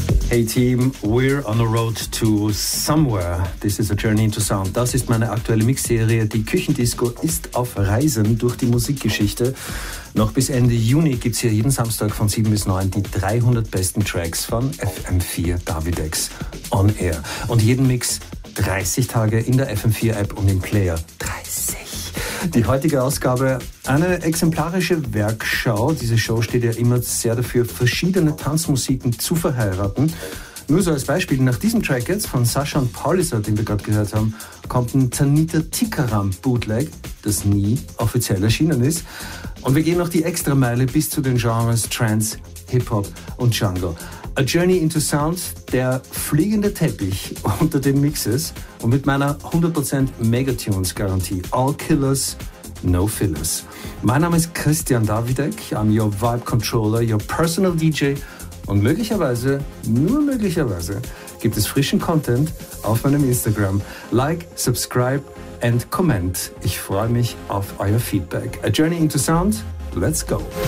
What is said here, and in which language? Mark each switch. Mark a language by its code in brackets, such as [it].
[en] Hey Team, we're on the road to somewhere. This is a journey into sound. [de] Das ist meine aktuelle Mixserie. Die Küchendisco ist auf Reisen durch die Musikgeschichte. Noch bis Ende Juni gibt's hier jeden Samstag von 7 bis 9 die 300 besten Tracks von FM4 Davidex on Air. Und jeden Mix 30 Tage in der FM4 App und im Player. 30! Die heutige Ausgabe, eine exemplarische Werkschau. Diese Show steht ja immer sehr dafür, verschiedene Tanzmusiken zu verheiraten. Nur so als Beispiel, nach diesem Track jetzt von Sascha und Paulisa, den wir gerade gehört haben, kommt ein Tanita Tikaram Bootleg, das nie offiziell erschienen ist. Und wir gehen noch die extra Meile bis zu den Genres Trance, Hip-Hop und Jungle. A Journey into Sound, der fliegende Teppich unter den Mixes und mit meiner 100% Megatunes-Garantie. [en] All killers, no fillers. [de] Mein Name ist Christian Davidek, [en] I'm your Vibe Controller, your personal DJ. [de] Und möglicherweise, nur möglicherweise, gibt es frischen Content auf meinem Instagram. [en] Like, subscribe and comment. [de] Ich freue mich auf euer Feedback. [en] A Journey into Sound, let's go!